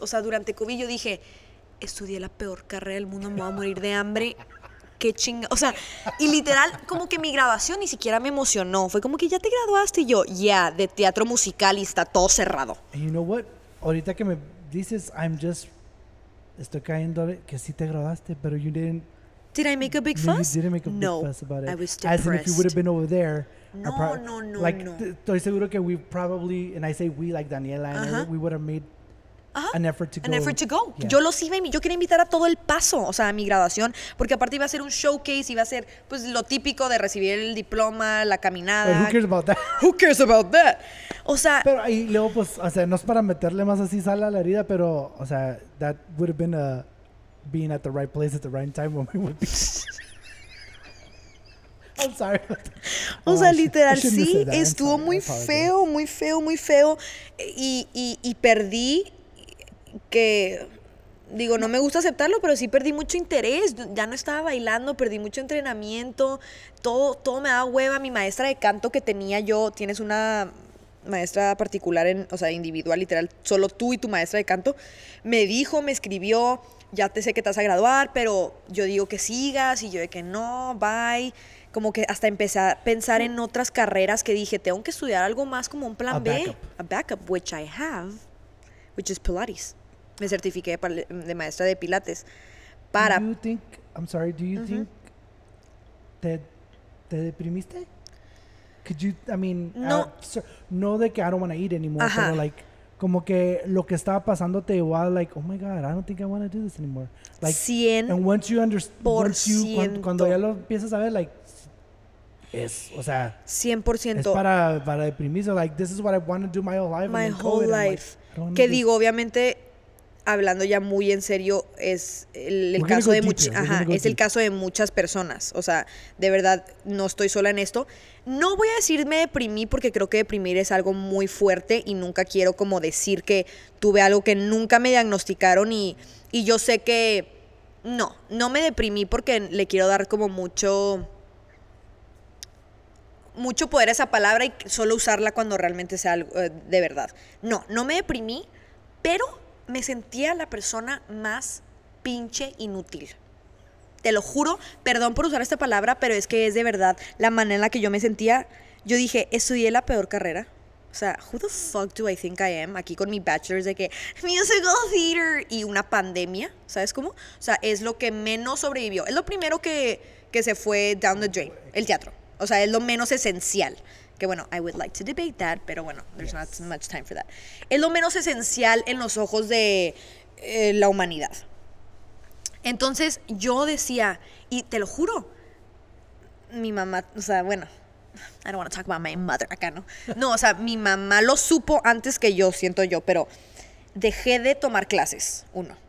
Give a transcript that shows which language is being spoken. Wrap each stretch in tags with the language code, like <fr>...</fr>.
<es>O sea, durante COVID yo dije, estudié la peor carrera del mundo, me voy a morir de hambre. Qué chinga. O sea, y literal, como que mi graduación ni siquiera me emocionó. Fue como que ya te graduaste y yo, yeah, de teatro musical y está todo cerrado.</es> <en>You know what?</en> <es>Ahorita que me dices, estoy cayendo, que sí te graduaste, pero</es> <en>you didn't. Did I make a big fuss? You didn't make a big fuss about it. No, I was depressed. As in if you would have been over there.</en> <es>No, no.</es> <en>Like,</en> <es>estoy seguro que</es> <en>we probably, and I say we, like Daniela and uh-huh. we would have made uh-huh. an effort to go. An effort to go. Yeah.</en> <es>Yo los iba, yo quería invitar a todo el paso, o sea, a mi graduación, porque aparte iba a ser un showcase, iba a ser pues lo típico de recibir el diploma, la caminada.</es> <en>But who cares about that? Who cares about that?</en> <es>O sea, pero ahí luego pues, o sea, no es para meterle más así sal a la herida, pero o sea,</es> <en>that would have been a being at the right place at the right time when we would be. I'm sorry.</en> <es>O sea, literal, sí, estuvo muy feo, muy feo, muy feo. Y perdí que, digo, no me gusta aceptarlo, pero sí perdí mucho interés. Ya no estaba bailando, perdí mucho entrenamiento. Todo me daba hueva. Mi maestra de canto que tenía yo, tienes una maestra particular, o sea, individual, literal, solo tú y tu maestra de canto, me dijo, me escribió, ya te sé que te vas a graduar, pero yo digo que sigas, y yo de que no, bye. Como que hasta empecé a pensar en otras carreras que dije, tengo que estudiar algo más como un plan a B.</es> <en>Backup. A backup, which I have, which is Pilates.</en> <es>Me certifiqué de maestra de Pilates. Para.</es> <en>Do you think, I'm sorry, do you uh-huh. think</en> <es>te deprimiste?</es> <en>Could you, I mean,</en> <es>no. No de que</es> <en>I don't want to eat anymore, ajá. Pero like,</en> <es>como que lo que estaba pasando te iba a,</es> <en>like, oh my God, I don't think I want to do this anymore. Like, 100%. And once you understand,</en> <es>cuando ya lo empiezas a ver, like, es, o sea, 100%. Es para deprimirse.</es> <en>Like, this is what I want to do my whole life. My whole COVID, life.</en> <es>Like, que digo, obviamente, hablando ya muy en serio, es el caso de el caso de muchas personas. O sea, de verdad, no estoy sola en esto. No voy a decir me deprimí porque creo que deprimir es algo muy fuerte y nunca quiero como decir que tuve algo que nunca me diagnosticaron y yo sé que no me deprimí porque le quiero dar como mucho poder a esa palabra y solo usarla cuando realmente sea algo de verdad. No me deprimí, pero me sentía la persona más pinche inútil. Te lo juro, perdón por usar esta palabra, pero es que es de verdad la manera en la que yo me sentía. Yo dije, estudié la peor carrera. O sea,</es> <en>who the fuck do I think I am?</en> <es>Aquí con mi bachelor's de que musical theater y una pandemia, ¿sabes cómo? O sea, es lo que menos sobrevivió. Es lo primero que se fue</es> <en>down the drain,</en> <es>el teatro. O sea, es lo menos esencial. Que bueno,</es> <en>I would like to debate that,</en> <es>pero bueno,</es> <en>there's yes. not much time for that.</en> <es>Es lo menos esencial en los ojos de la humanidad. Entonces, yo decía, y te lo juro, mi mamá, o sea, bueno,</es> <en>I don't want to talk about my mother</en> <es>acá, ¿no? No, o sea, mi mamá lo supo antes que yo, siento yo, pero dejé de tomar clases, uno.</es>